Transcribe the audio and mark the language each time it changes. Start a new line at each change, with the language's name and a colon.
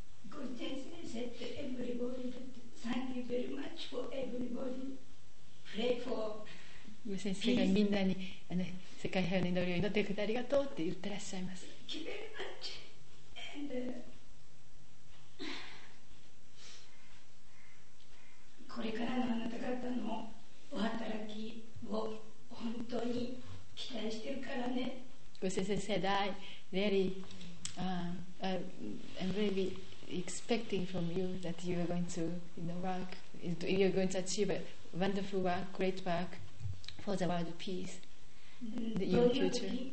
English: ご先生 said to everybody that thank you very much for everybody. Pray for.
Japanese: ご先生がみんなにあの世界平和の祈りを祈ってくれてありがとうって言ってらっしゃいます。
English: Thank you very much.
Japanese: And これからのあなた方のお働きを本当に期待してるからね。
English: Because I said I really, I'm really expecting from you that you are going to, you know, work, you are going to achieve a wonderful work, great work for the world peace in your future.